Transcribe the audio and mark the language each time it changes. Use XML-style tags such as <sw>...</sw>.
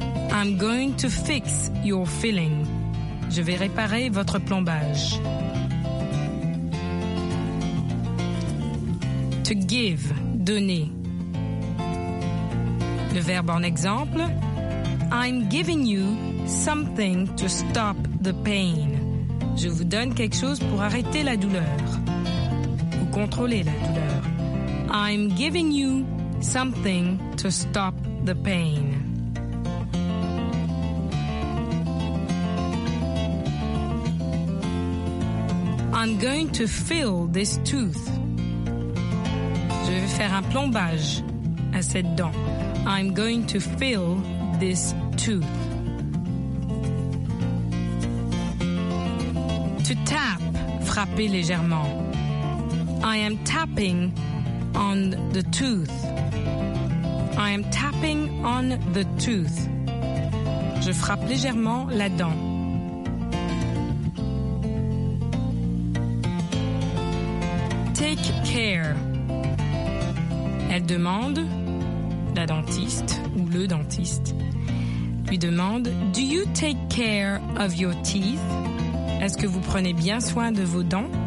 <en>I'm going to fix your filling.</en> <fr>Je vais réparer votre plombage.</fr> <en>To give, donner.</en> <fr>Le verbe en exemple.</fr> <en>I'm giving you something to stop the pain.</en> <fr>Je vous donne quelque chose pour arrêter la douleur. Ou contrôler la douleur.</fr> <en>I'm giving you something to stop the pain. I'm going to fill this tooth.</en> <fr>Je vais faire un plombage à cette dent.</fr> <en>I'm going to fill this tooth. To tap,</en> <fr>frapper légèrement.</fr> <en>I am tapping on the tooth. I am tapping on the tooth.</en> <fr>Je frappe légèrement la dent.</fr> <en>Take care.</en> <fr>Elle demande, la dentiste ou le dentiste, lui demande, «</fr> <en>Do you take care of your teeth?</en> <fr>» Est-ce que vous prenez bien soin de vos dents?</fr>